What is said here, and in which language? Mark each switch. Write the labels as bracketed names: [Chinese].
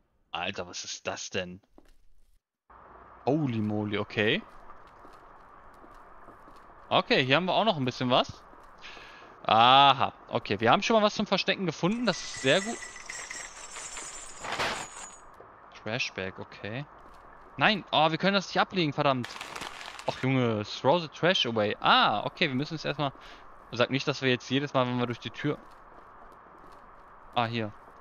[German] Alter, was ist das denn? [English] Holy moly, [German] okay. Okay, hier haben wir auch noch ein bisschen was. Aha, okay, wir haben schon mal was zum Verstecken gefunden. Das ist sehr gut. Trashbag, okay. Nein, oh, wir können das nicht ablegen, verdammt. Ach Junge, [English] throw the trash away. [German] Ah, okay, wir müssen es erstmal. Sag nicht, dass wir jetzt jedes Mal, wenn wir durch die Tür. Ah, hier.